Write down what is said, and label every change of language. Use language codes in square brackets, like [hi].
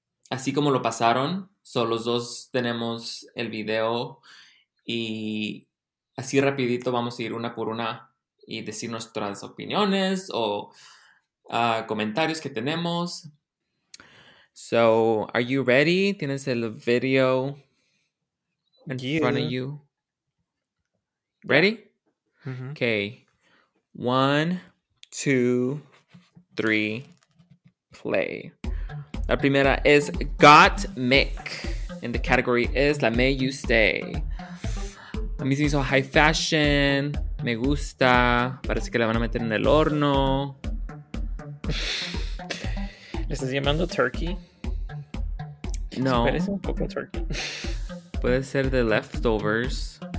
[es] Así como lo pasaron. So los dos tenemos el video. Y así rapidito vamos a ir una por una y decir nuestras opiniones o... comentarios que tenemos. [en] So, are you ready? [es] Tienes el video [en] in front of you. Ready? Mm-hmm. Okay. 1, 2, 3, play. [es] La primera es Gottmik. [en] And the category is La May You Stay. [es] A mí se hizo high fashion. Me gusta. Parece que la van a meter en el horno. ¿Le estás llamando turkey? No. Se parece un poco turkey. Puede ser de leftovers.